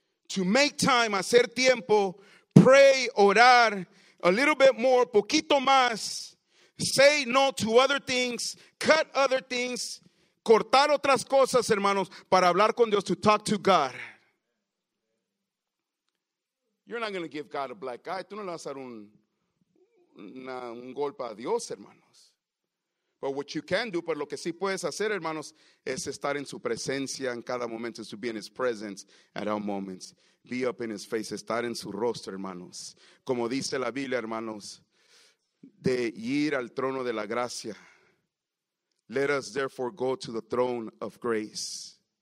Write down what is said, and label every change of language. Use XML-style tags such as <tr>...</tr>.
<en>To make time,</en> <es>hacer tiempo,</es> <en>pray, orar, a little bit more,</en> <es>poquito más,</es> <en>say no to other things, cut other things,</en> <es>cortar otras cosas, hermanos, para hablar con Dios,</es> <en>to talk to God. You're not going to give God a black eye.</en> <es>Tú no le vas a dar un golpe a Dios, hermanos.</es> <en>But what you can do,</en> <es>pero lo que sí puedes hacer, hermanos, es estar en su presencia en cada momento, es</es> <en>to be in his presence at all moments. Be up in his face,</en> <es>estar en su rostro, hermanos. Como dice la Biblia, hermanos, de ir al trono de la gracia.</es> <en>Let us therefore go to the throne of grace.</en>